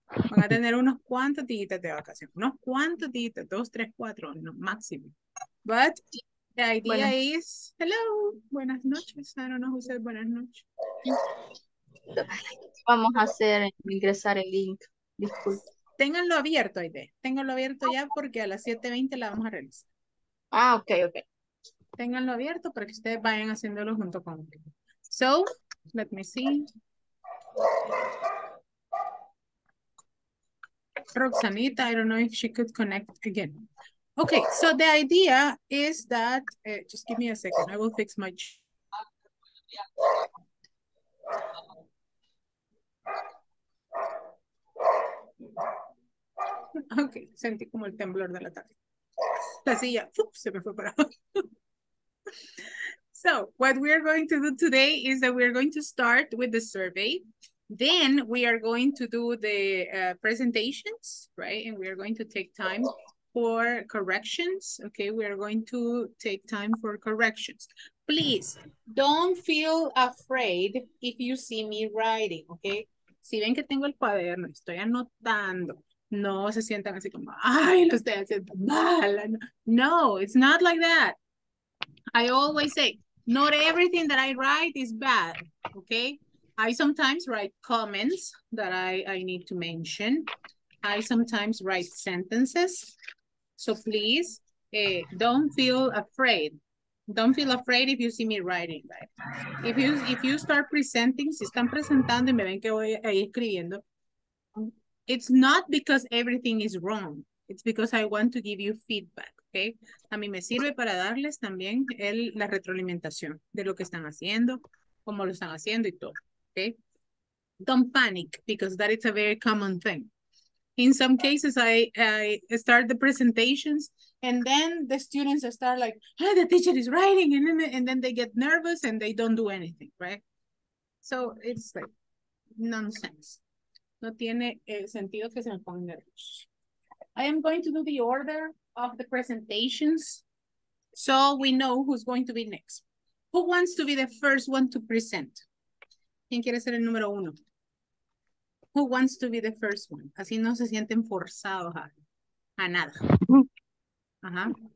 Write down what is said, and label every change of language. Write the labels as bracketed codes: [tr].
[es] Van a tener unos cuantos días de vacación. Unos cuantos días, dos, tres, cuatro, no, máximo. [en] But the idea is, hello, [es] buenas noches. [en] I don't know who said buenas noches. [es] Vamos a hacer, ingresar el link. Disculpe. Ténganlo abierto, Aide. Ténganlo abierto ya porque a las 7:20 la vamos a realizar. Ah, ok, ok. Ténganlo abierto para que ustedes vayan haciéndolo junto conmigo. [en] So, let me see. Roxanita, I don't know if she could connect again. Okay, so the idea is that, just give me a second, I will fix my... [es] Okay, sentí como el temblor de la tarde. La silla, ups, se me fue para abajo. [en] So, what we are going to do today is that we are going to start with the survey. Then we are going to do the presentations, right? And we are going to take time for corrections. Okay, we are going to take time for corrections. Please don't feel afraid if you see me writing, okay? [es] Si ven que tengo el cuaderno, estoy anotando. No se sientan así como, ay, lo estoy haciendo mal. [en] No, it's not like that. I always say, not everything that I write is bad, okay? I sometimes write comments that I need to mention. I sometimes write sentences. So please don't feel afraid. Don't feel afraid if you see me writing. Right? If you start presenting, [es] si están presentando y me ven que voy ahí escribiendo, [en] it's not because everything is wrong. It's because I want to give you feedback. Okay? [es] A mí me sirve para darles también la retroalimentación de lo que están haciendo, cómo lo están haciendo y todo. [en] Okay, don't panic because that is a very common thing. In some cases, I start the presentations and then the students start like, oh, the teacher is writing, and then they get nervous and they don't do anything, right? So it's like nonsense. [es] No tiene sentido que se me pongan nervios. [en] I am going to do the order of the presentations so we know who's going to be next. Who wants to be the first one to present? [es] ¿Quién quiere ser el número uno? [en] Who wants to be the first one? [es] Así no se sienten forzados a nada. Ajá.